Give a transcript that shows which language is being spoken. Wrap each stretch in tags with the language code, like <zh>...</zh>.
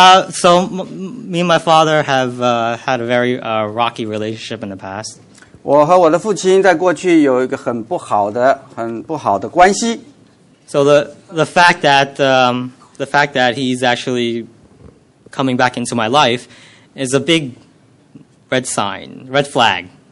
<en>So me and my father have had a very rocky relationship in the past.</en> <zh>我和我的父亲在过去有一个很不好的关系。</zh> <en>So the fact that he's actually coming back into my life is a big red sign, red flag.</en>